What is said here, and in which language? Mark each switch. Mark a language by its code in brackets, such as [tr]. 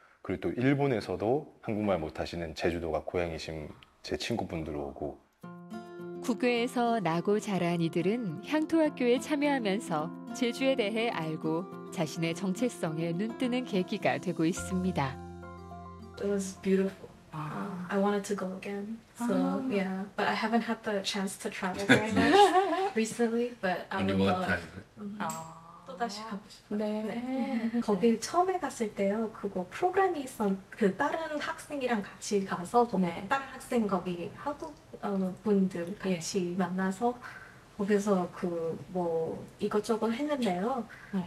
[ko] 그리고 또 일본에서도 한국말 못하시는 제주도가 고향이신 제 친구분들 오고 국외에서 나고 자란 이들은 향토학교에 참여하면서 제주에 대해 알고 자신의 정체성에 눈뜨는 계기가 되고 있습니다. [en] It was beautiful. I wanted to go again. So, yeah. But I haven't had the chance to travel very much recently, but I would love. Mm-hmm. [ko] 다시 가고 싶어요. 네. 거기 처음에 갔을 때요, 그거 프로그램이 있었, 그 다른 학생이랑 같이 가서, 네. 다른 학생 거기 한국 분들 같이 예. 만나서, 거기서 그 뭐 이것저것 했는데요. 네.